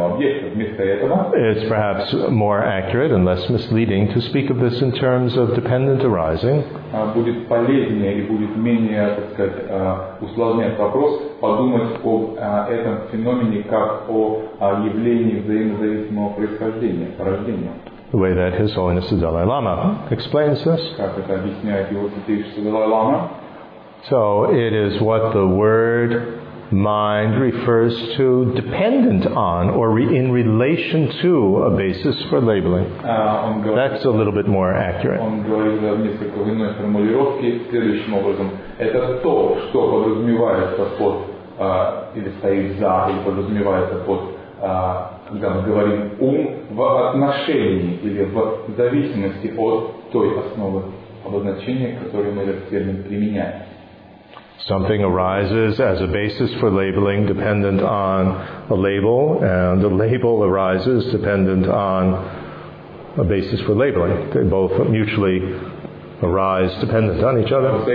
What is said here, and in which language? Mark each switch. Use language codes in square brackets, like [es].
[en] It's perhaps more accurate and less misleading to speak of this in terms of dependent arising. [ru] Будет полезнее и будет менее, так сказать, усложнять вопрос, подумать об этом феномене как о явлении взаимозависимого происхождения, рождения. [en] The way that His Holiness the Dalai Lama explains this. [ru] Как это объясняет Его Святейшество Далай Лама? [en] So it is what the word mind refers to dependent on or in relation to a basis for labeling. That's a little bit more accurate. [ru] Он говорит в несколько иной формулировке следующим образом. Это то, что подразумевается под, или стоит за, или подразумевается под, когда мы говорим ум, в отношении или в зависимости от той основы обозначения, которую мы рассердно применяем. [en] Something arises as a basis for labeling dependent on a label, and the label arises dependent on a basis for labeling. They both mutually arise dependent on each other.